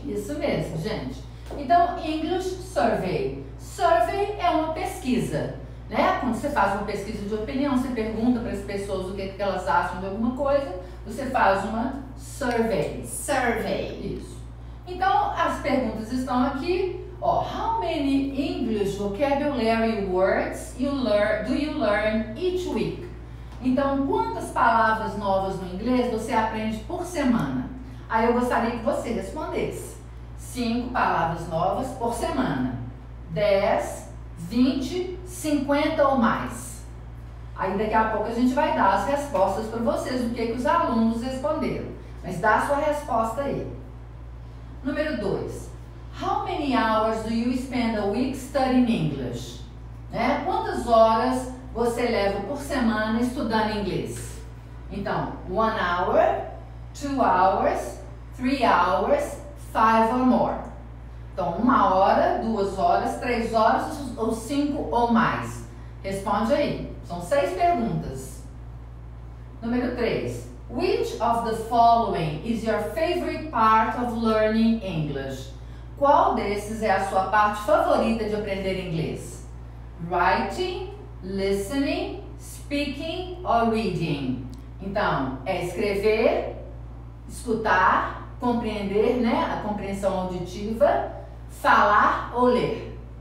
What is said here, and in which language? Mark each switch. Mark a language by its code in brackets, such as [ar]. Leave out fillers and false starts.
[pt] Isso mesmo, gente. Então, English Survey. Survey é uma pesquisa, né? Quando você faz uma pesquisa de opinião, você pergunta para as pessoas o que elas acham de alguma coisa, você faz uma survey. Survey. Isso. Então, as perguntas estão aqui. [en] How many English vocabulary words do you learn each week? [pt] Então, quantas palavras novas no inglês você aprende por semana? Aí eu gostaria que você respondesse. 5 palavras novas por semana. 10, 20, 50 ou mais. Aí daqui a pouco a gente vai dar as respostas para vocês, o que os alunos responderam. Mas dá a sua resposta aí. Número 2. [en] How many hours do you spend a week studying English? [pt] Né? Quantas horas você leva por semana estudando inglês? Então, [en] 1 hour, 2 hours, 3 hours, 5 or more. [pt] Então, 1 hora, 2 horas, 3 horas ou 5 ou mais. Responde aí. São 6 perguntas. Número 3. [en] Which of the following is your favorite part of learning English? [pt] Qual desses é a sua parte favorita de aprender inglês? [en] Writing, listening, speaking or reading? [pt] Então, é escrever, escutar, compreender, né, a compreensão auditiva, falar ou ler.